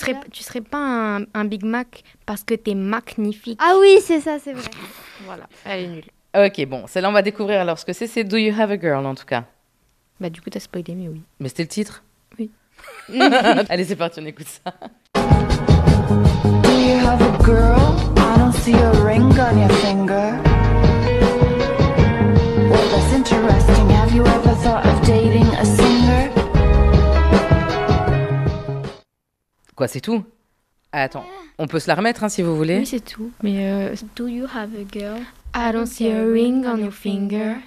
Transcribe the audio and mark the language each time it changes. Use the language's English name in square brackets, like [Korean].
[French] tu serais pas un Big Mac parce que t'es magnifique. Ah oui, c'est ça, c'est vrai. Voilà, elle est nulle. Ok, bon, celle-là, on va découvrir alors ce que c'est. C'est Do You Have a Girl, en tout cas. Bah du coup t'as spoilé, mais oui. Mais c'était le titre. Oui. Allez, c'est parti, on écoute ça. [English] Do you have a girl? I don't see a ring on your finger. Well, that's interesting. Have you ever thought of dating a singer? [French] Quoi, c'est tout? Attends, on peut se la remettre hein, si vous voulez. Oui, c'est tout. Mais [English] Do you have a girl? I don't see a ring on your finger.